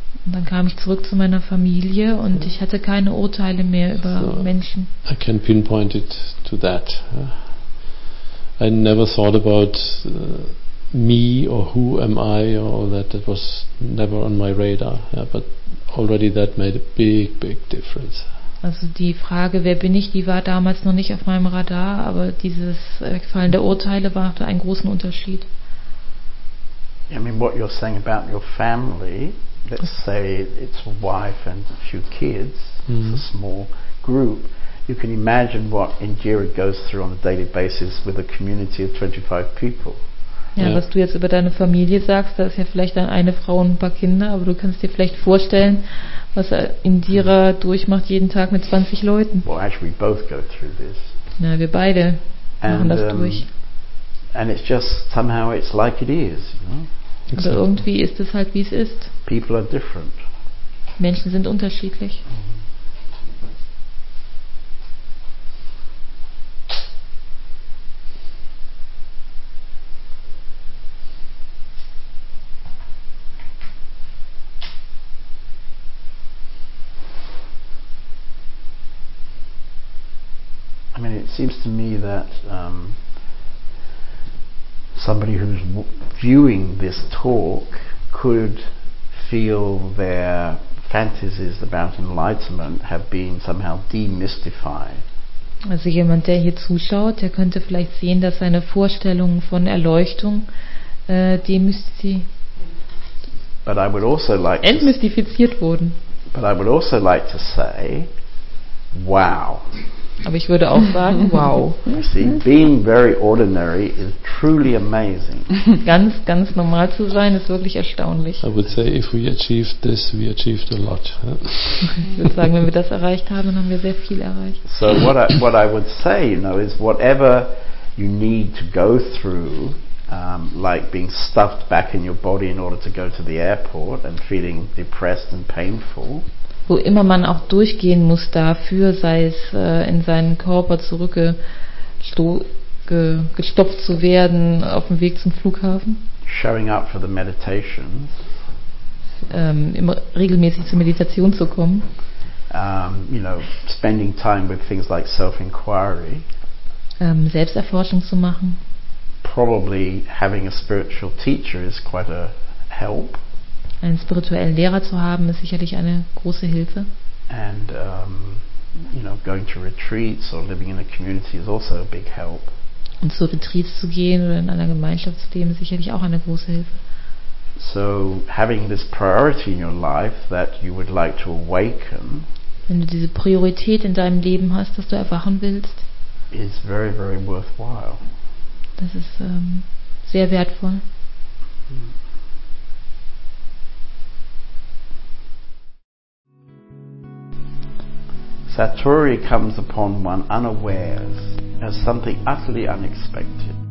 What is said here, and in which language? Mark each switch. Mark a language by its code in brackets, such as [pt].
[de] Und dann kam ich zurück zu meiner Familie und ich hatte keine Urteile mehr über Menschen. [en] I can pinpoint it to that. I never thought about me or who am I or that. It was never on my radar. Yeah, but already that made a big, big difference. [de] Also die Frage, wer bin ich, die war damals noch nicht auf meinem Radar, aber dieses Wegfallen der Urteile machte einen großen Unterschied. [en] I mean, what you're saying about your family, let's say it's a wife and a few kids, mm-hmm. It's a small group, you can imagine what Indira goes through on a daily basis with a community of 25 people. [de] Ja, yeah. Was du jetzt über deine Familie sagst, da ist ja vielleicht dann eine Frau und ein paar Kinder, aber du kannst dir vielleicht vorstellen, was Indira durchmacht jeden Tag mit 20 Leuten. [en] Well, actually, we both go through this. [de] Na, wir beide machen das durch. [en] And it's just somehow it's like it is, you know? [de] Aber exactly. Irgendwie ist es halt, wie es ist. [en] People are different. [de] Menschen sind unterschiedlich. [en] I mean, it seems to me that somebody who's viewing this talk could feel their fantasies about enlightenment have been somehow demystified. [de] Also jemand, der hier zuschaut, der könnte vielleicht sehen, dass seine Vorstellungen von Erleuchtung entmystifiziert wurden. [en] But I would also like to say, wow. [de] Aber ich würde auch sagen, wow. [en] You see, being very ordinary is truly amazing. [de] Ganz, ganz normal zu sein, ist wirklich erstaunlich. [en] I would say, if we achieved this, we achieved a lot. [de] Ich würde sagen, wenn wir das erreicht haben, dann haben wir sehr viel erreicht. [en] So what I would say, you know, is whatever you need to go through like being stuffed back in your body in order to go to the airport and feeling depressed and painful. [de] Wo immer man auch durchgehen muss dafür, sei es in seinen Körper zurückgestopft zu werden auf dem Weg zum Flughafen. [en] Showing up for the meditation. [de] Immer regelmäßig zur Meditation zu kommen. [en] You know, spending time with things like self-inquiry. [de] Selbsterforschung zu machen. [en] Probably having a spiritual teacher is quite a help. [de] Einen spirituellen Lehrer zu haben ist sicherlich eine große Hilfe. [en] And you know, going to retreats or living in a community is also a big help. [de] Und zu Retreats zu gehen oder in einer Gemeinschaft zu leben ist sicherlich auch eine große Hilfe. [en] So having this priority in your life that you would like to awaken. [de] Wenn du diese Priorität in deinem Leben hast, dass du erwachen willst, [en] is very very worthwhile. [de] Das ist sehr wertvoll. [en] Satori comes upon one unawares as something utterly unexpected.